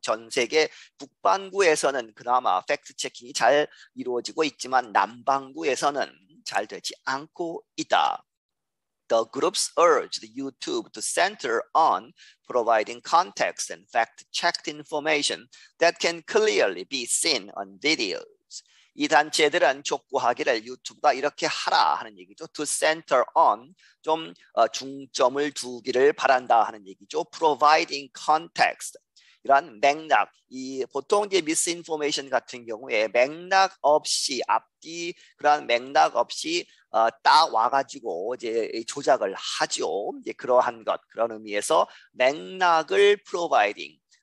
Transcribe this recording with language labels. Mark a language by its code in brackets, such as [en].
[ko] 전 세계 북반구에서는 그나마 팩트체킹이 잘 이루어지고 있지만 남반구에서는 잘 되지 않고 있다. [en] The groups urged YouTube to center on providing context and fact-checked information that can clearly be seen on videos. [ko] 이 단체들은 촉구하기를 유튜브가 이렇게 하라 하는 얘기죠. [en] To center on [ko] 좀 중점을 두기를 바란다 하는 얘기죠. [en] Providing context. [ko] 이런 맥락, 이 보통 이제 미스인포메이션 같은 경우에 맥락 없이 앞뒤 그런 맥락 없이 따와가지고 이제 조작을 하죠. 이제 그러한 것 그런 의미에서 맥락을 프로바이딩,